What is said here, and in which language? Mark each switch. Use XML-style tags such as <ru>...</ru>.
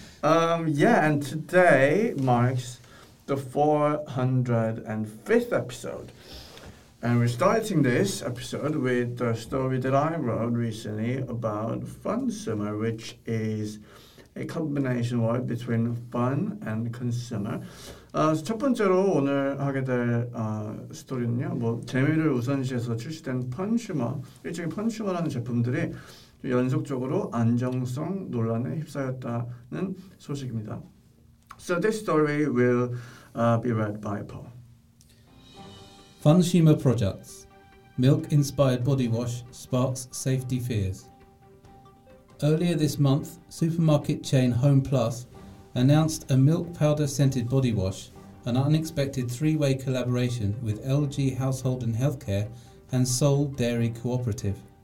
<en>And today marks the 405th episode. And we're starting this episode with a story that I wrote recently about Fun Summer, which is a combination word between fun and consumer.</en> <ko>첫 번째로 오늘 하게 될 스토리는요, 뭐 재미를 우선시해서 출시된 펀슈머, 일종의 펀슈머라는 제품들이 연속적으로 안정성 논란에 휩싸였다는 소식입니다.</ko> <en>So this story will be read by Paul. Funsumer Products. Milk-inspired body wash sparks safety fears. Earlier this month, supermarket chain Home Plus announced a milk powder-scented body wash, an unexpected three-way collaboration with LG Household and Healthcare and Seoul Dairy Cooperative.</en>